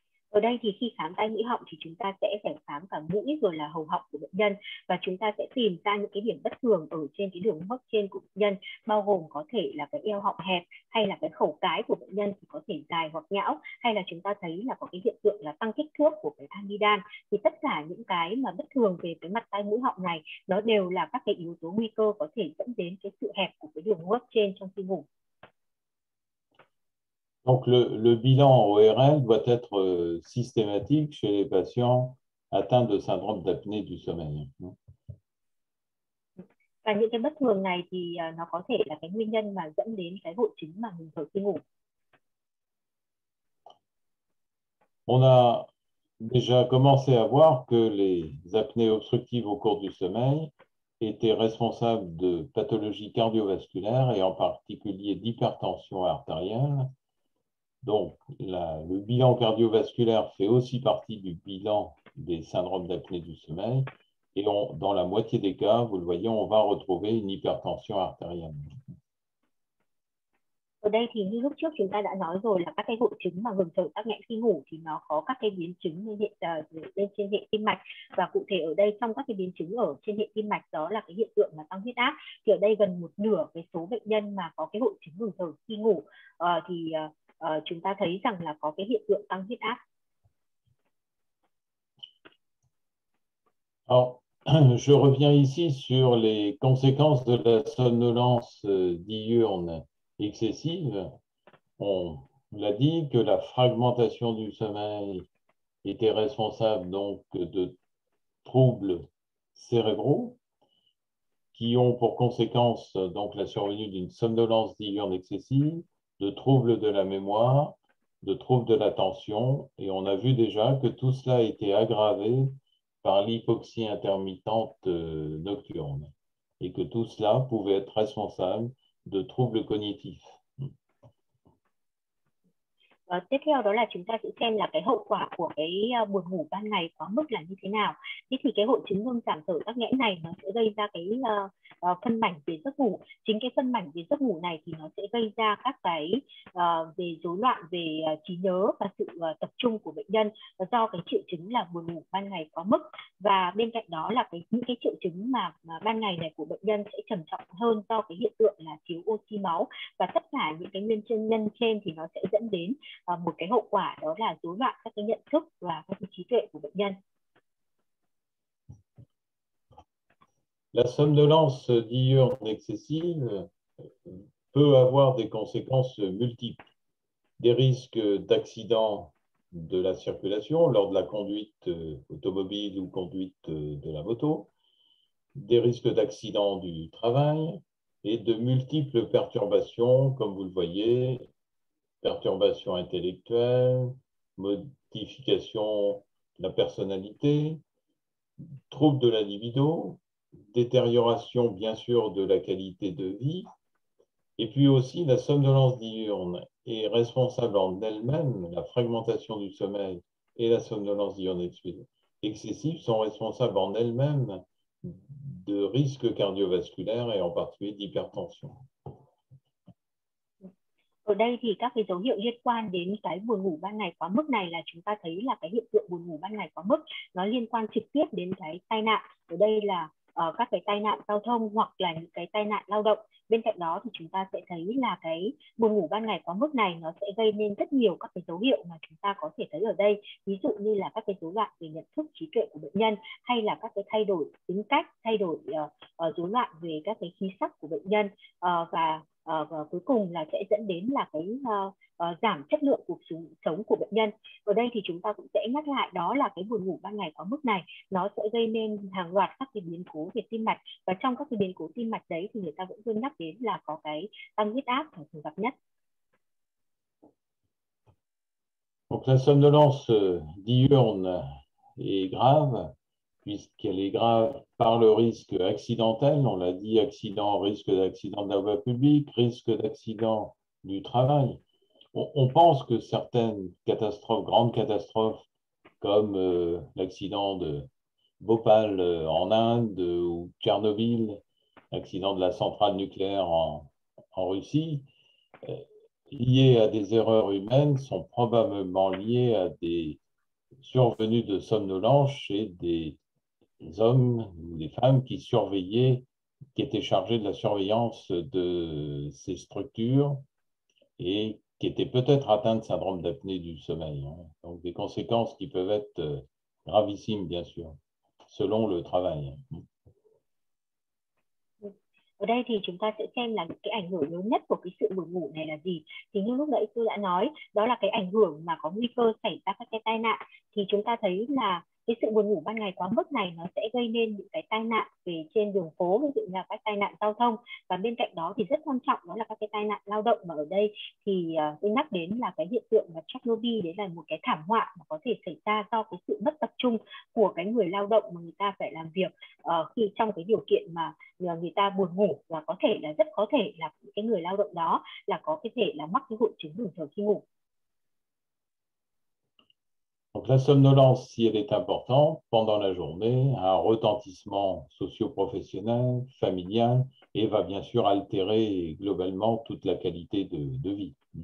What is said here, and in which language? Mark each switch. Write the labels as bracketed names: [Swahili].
[Vietnamese] Ở đây thì khi khám tai mũi họng thì chúng ta sẽ phải khám cả mũi rồi là hầu họng của bệnh nhân, và chúng ta sẽ tìm ra những cái điểm bất thường ở trên cái đường hô hấp trên của bệnh nhân, bao gồm có thể là cái eo họng hẹp hay là cái khẩu cái của bệnh nhân thì có thể dài hoặc nhão, hay là chúng ta thấy là có cái hiện tượng là tăng kích thước của cái amidan. Thì tất cả những cái mà bất thường về cái mặt tai mũi họng này nó đều là các cái yếu tố nguy cơ có thể dẫn đến cái sự hẹp của cái đường hô hấp trên trong khi ngủ. [French] Donc le bilan ORL doit être systématique chez les patients atteints de syndrome d'apnée du sommeil. [Vietnamese] Và những cái bất thường này thì nó có thể là cái nguyên nhân mà dẫn đến cái hội chứng mà mình thở khi ngủ. [French] On a déjà commencé à voir que les apnées obstructives au cours du sommeil étaient responsables de pathologies cardiovasculaires et en particulier d'hypertension artérielle. Donc, le bilan cardiovasculaire fait aussi partie du bilan des syndromes d'apnée du sommeil. Et dans la moitié des cas, vous le voyez, on va retrouver une hypertension artérielle. [Vietnamese] Ở đây thì như lúc trước chúng ta đã nói rồi là các cái hội chứng mà ngừng thở tắc nghẽn khi ngủ thì nó có các cái biến chứng lên trên hệ tim mạch, và cụ thể ở đây trong các cái biến chứng ở trên hệ tim mạch đó là cái hiện tượng mà tăng huyết áp. Thì ở đây gần một nửa cái số bệnh nhân mà có cái hội chứng ngừng thở khi ngủ chúng ta thấy rằng là có cái hiện tượng tăng huyết áp. [French] Alors, je reviens ici sur les conséquences de la somnolence diurne excessive. On l'a dit que la fragmentation du sommeil était responsable donc de troubles cérébraux qui ont pour conséquence donc la survenue d'une somnolence diurne excessive, de troubles de la mémoire, de troubles de l'attention, et on a vu déjà que tout cela a été aggravé par l'hypoxie intermittente nocturne et que tout cela pouvait être responsable de troubles cognitifs. [Vietnamese] Tiếp theo đó là chúng ta sẽ xem là cái hậu quả của cái buồn ngủ ban ngày quá mức là như thế nào. Thế thì cái hội chứng ngưng giảm thở tắc nghẽn này nó sẽ gây ra cái phân mảnh về giấc ngủ. Chính cái phân mảnh về giấc ngủ này thì nó sẽ gây ra các cái về rối loạn về trí nhớ và sự tập trung của bệnh nhân do cái triệu chứng là buồn ngủ ban ngày quá mức. Và bên cạnh đó là những cái triệu chứng mà ban ngày này của bệnh nhân sẽ trầm trọng hơn do cái hiện tượng là thiếu oxy máu, và tất cả những cái nguyên nhân trên thì nó sẽ dẫn đến một cái hậu quả đó là rối loạn các cái nhận thức và các cái trí tuệ của bệnh nhân. [French] La somnolence diurne excessive peut avoir des conséquences multiples, des risques d'accidents de la circulation lors de la conduite automobile ou conduite de la moto, des risques d'accidents du travail et de multiples perturbations, comme vous le voyez, perturbations intellectuelles, modifications de la personnalité, troubles de la libido, détérioration bien sûr de la qualité de vie, et puis aussi la somnolence diurne est responsable en elle-même, la fragmentation du sommeil et la somnolence diurne excessive sont responsables en elles-mêmes de risques cardiovasculaires et en particulier d'hypertension. [Vietnamese] Ở đây thì các cái dấu hiệu liên quan đến cái buồn ngủ ban ngày quá mức này là chúng ta thấy là cái hiện tượng buồn ngủ ban ngày quá mức nó liên quan trực tiếp đến cái tai nạn. Ở đây là các cái tai nạn giao thông hoặc là những cái tai nạn lao động. Bên cạnh đó thì chúng ta sẽ thấy là cái buồn ngủ ban ngày quá mức này nó sẽ gây nên rất nhiều các cái dấu hiệu mà chúng ta có thể thấy ở đây. Ví dụ như là các cái rối loạn về nhận thức trí tuệ của bệnh nhân, hay là các cái thay đổi tính cách, thay đổi rối loạn về các cái khí sắc của bệnh nhân, và cuối cùng là sẽ dẫn đến là cái giảm chất lượng cuộc sống của bệnh nhân. Ở đây thì chúng ta cũng sẽ nhắc lại đó là cái buồn ngủ ban ngày quá mức này nó sẽ gây nên hàng loạt các cái biến cố về tim mạch, và trong các cái biến cố tim mạch đấy thì người ta vẫn luôn nhắc đến là có cái tăng huyết áp là thường gặp nhất. [French] Donc la somnolence diurne est grave puisqu'elle est grave par le risque accidentel, on l'a dit, accident, risque d'accident de la voie publique, risque d'accident du travail. On pense que certaines catastrophes, grandes catastrophes, comme l'accident de Bhopal en Inde ou Tchernobyl, l'accident de la centrale nucléaire en Russie, liées à des erreurs humaines, sont probablement liées à des survenue de somnolence chez des hommes ou des femmes qui surveillaient, qui étaient chargés de la surveillance de ces structures et qui étaient peut-être atteints de syndrome d'apnée du sommeil. Donc des conséquences qui peuvent être gravissimes, bien sûr, selon le travail. [Vietnamese] Ở đây thì chúng ta sẽ xem là cái ảnh hưởng lớn nhất của cái sự buồn ngủ này là gì. Thì như lúc nãy tôi đã nói, đó là cái ảnh hưởng mà có nguy cơ xảy ra các cái tai nạn. Thì chúng ta thấy là cái sự buồn ngủ ban ngày quá mức này nó sẽ gây nên những cái tai nạn về trên đường phố, ví dụ như là các tai nạn giao thông. Và bên cạnh đó thì rất quan trọng đó là các cái tai nạn lao động. Mà ở đây thì tôi nhắc đến là cái hiện tượng mà Chernobyl, đấy là một cái thảm họa mà có thể xảy ra do cái sự mất tập trung của cái người lao động mà người ta phải làm việc khi trong cái điều kiện mà người ta buồn ngủ, và có thể là rất có thể là cái người lao động đó là có cái thể là mắc cái hội chứng ngừng thở khi ngủ. [French] Donc la somnolence, si elle est importante pendant la journée, a un retentissement socio-professionnel, familial, et va bien sûr altérer globalement toute la qualité de vie.